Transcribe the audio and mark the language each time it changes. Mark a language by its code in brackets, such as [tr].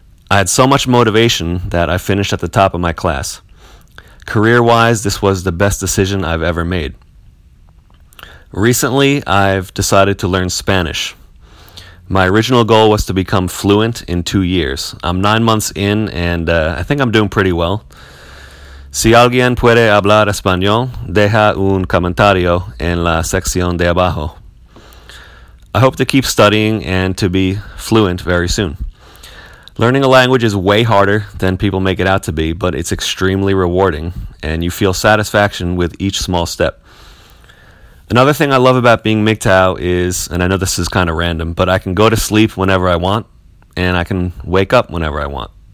[en] I had so much motivation that I finished at the top of my class. Career-wise, this was the best decision I've ever made. Recently, I've decided to learn Spanish. My original goal was to become fluent in 2 years. I'm 9 months in, and I think I'm doing pretty well. [es] Si alguien puede hablar español, deja un comentario en la sección de abajo. [en] I hope to keep studying and to be fluent very soon. Learning a language is way harder than people make it out to be, but it's extremely rewarding, and you feel satisfaction with each small step. Another thing I love about being MGTOW is, and I know this is kind of random, but I can go to sleep whenever I want, and I can wake up whenever I want.